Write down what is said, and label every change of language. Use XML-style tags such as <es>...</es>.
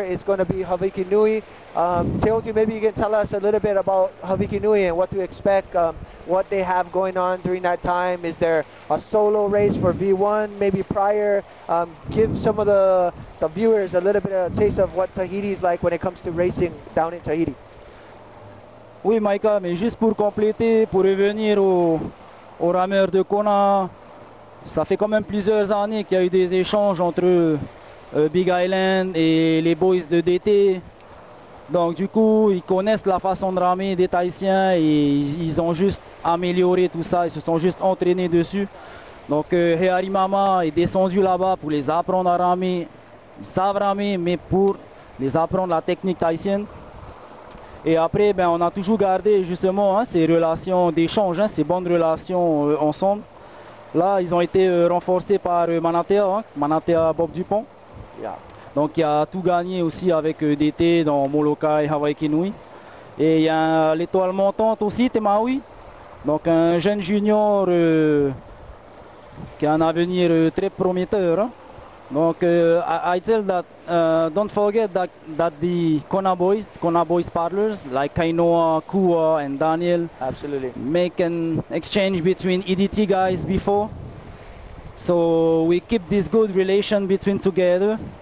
<en>It's going to be Hawiki Nui. Teotihu, maybe you can tell us a little bit about Hawiki Nui and what to expect, what they have going on during that time. Is there a solo race for V1, maybe prior? Give some of the viewers a little bit of a taste of what Tahiti is like when it comes to racing down in Tahiti.</en> <fr>Oui, Maika, mais juste pour compléter, pour revenir au rameur de Kona, ça fait quand même plusieurs années qu'il y a eu des échanges entre Big Island et les boys de DT. Donc du coup, ils connaissent la façon de ramer des Tahitiens et ils ont juste amélioré tout ça, ils se sont juste entraînés dessus. Donc Heari Mama est descendu là-bas pour les apprendre à ramer. Ils savent ramer, mais pour les apprendre la technique tahitienne. Et après, ben, on a toujours gardé justement hein, ces relations d'échange, hein, ces bonnes relations ensemble. Là, ils ont été renforcés par Manatea, hein, Manatea Bob Dupont.</fr> <en>Yeah.</en> <fr>Donc il a tout gagné aussi avec DT dans Molokai, Hawaii Kinui. Et il y a l'étoile montante aussi, Temaui. Donc un jeune junior qui a un avenir très prometteur. Hein.</fr> <en>Donc, I tell that, don't forget that the Kona boys paddlers, like Kainoa, Kua, and Daniel. Absolutely. Make an exchange between EDT guys before. So we keep this good relation between together.</en>